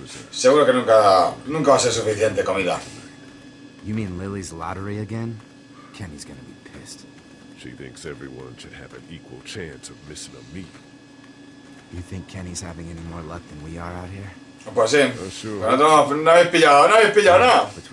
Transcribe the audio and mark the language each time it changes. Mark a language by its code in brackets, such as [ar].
[es] Seguro que nunca va a ser suficiente comida. [en] You mean Lily's lottery again? Kenny's gonna be pissed. She thinks everyone should have an equal chance of missing a meet. You think Kenny's having any more luck than we are out here? [es] Pues sí, no habéis pillado nada.